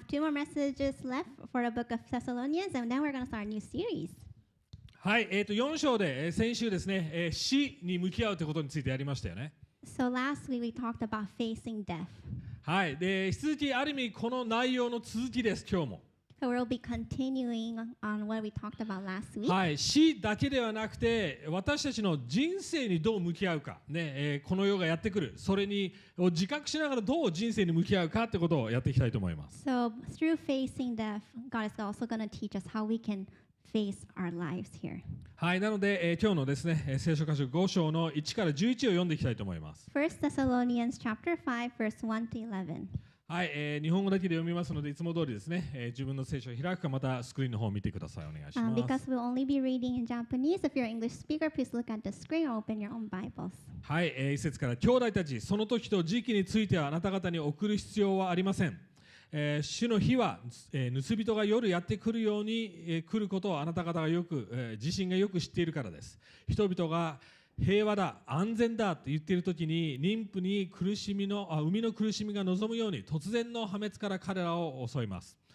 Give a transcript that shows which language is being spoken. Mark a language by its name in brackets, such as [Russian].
[English] two more messages left for a book of Thessalonians, and then we're going to start a new series. [Japanese] はい、4章で先週ですね、死に向き合うということについてやりましたよね。 [English] So last week we talked about facing death. [Japanese] はい、で引き続きある意味この内容の続きです、今日も。 [English] So we'll be continuing on what we talked about last week. [Japanese] はい、死だけではなくて私たちの人生にどう向き合うか、ね、この世がやってくる、それにを自覚しながらどう人生に向き合うかってことをやっていきたいと思います。 [English] So through facing death, God is also going to teach us how we can face our lives here. [Japanese] はい、なので、今日のですね、聖書箇所5章の1から11を読んでいきたいと思います。 [English] 1 Thessalonians chapter 5 verse 1 to 11. [Japanese] はい、日本語だけで読みますのでいつも通りですね、自分の聖書を開くかまたスクリーンの方を見てくださいお願いします。 [English] Because we'll only be reading in Japanese, if you're an English speaker, please look at the screen or open your own Bibles. [Japanese] はい、一節から兄弟たち、その時と時期についてはあなた方に送る必要はありません。主の日は、盗人が夜やってくるように、来ることをあなた方がよく、自身がよく知っているからです。人々が平和だ安全だと言っているときに妊婦に苦しみの生みの苦しみが望むように突然の破滅から彼らを襲います。